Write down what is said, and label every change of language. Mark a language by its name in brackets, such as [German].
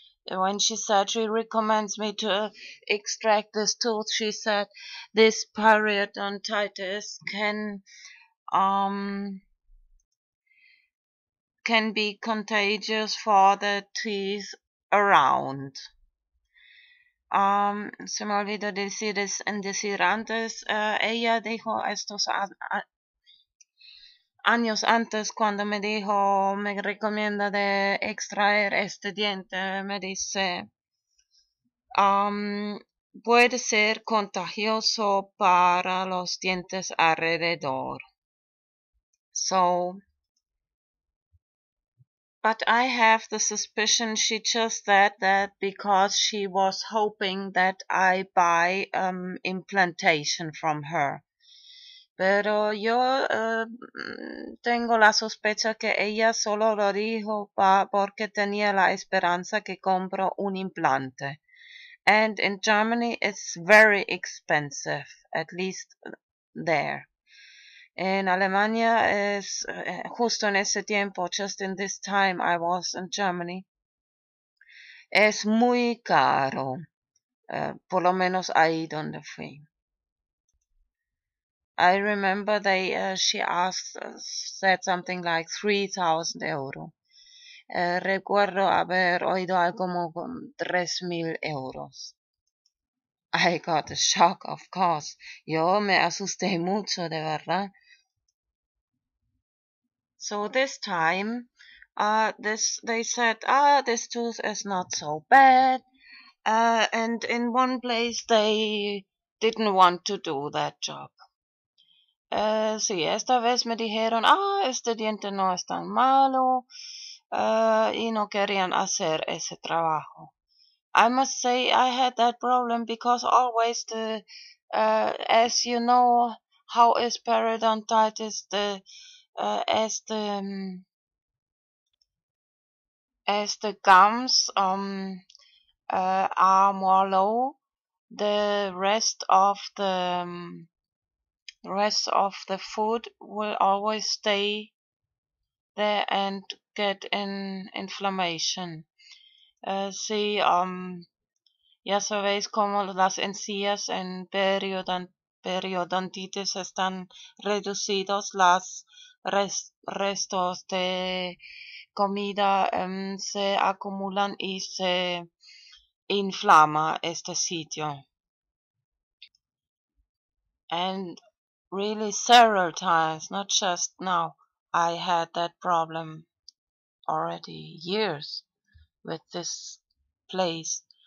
[English] When she said she recommends me to extract this tooth, she said this periodontitis can be contagious for the teeth around. [Spanish] Se me olvidó decir es en decir antes, ella dijo estos años antes cuando me dijo, me recomienda de extraer este diente, me dice, puede ser contagioso para los dientes alrededor. [English] So, but I have the suspicion she just said that because she was hoping that I buy implantation from her. [Spanish] Pero yo tengo la sospecha que ella solo lo dijo pa porque tenía la esperanza que compro un implante. [English] And in Germany it's very expensive, at least there. [Spanish] En Alemania es justo en ese tiempo, [English] just in this time I was in Germany, [Spanish] es muy caro, por lo menos ahí donde fui. [English] I remember she asked, said something like 3,000 euros. [Spanish] Recuerdo haber oído algo como 3,000 euros. [English] I got a shock, of course. [Spanish] Yo me asusté mucho, de verdad. [English] So this time, they said, this tooth is not so bad. And in one place, they didn't want to do that job. [Spanish] sí, esta vez me dijeron, este diente no es tan malo, y no querían hacer ese trabajo. [English] I must say I had that problem because always the, as you know, how is periodontitis, the, as the, as the gums, are more low, the rest of the, rest of the food will always stay there and get an inflammation. [Spanish] Sí, ya sabéis cómo las encías en periodontitis están reducidos, las restos de comida se acumulan y se inflama este sitio. [English] And really several times, not just now, I had that problem already years with this place.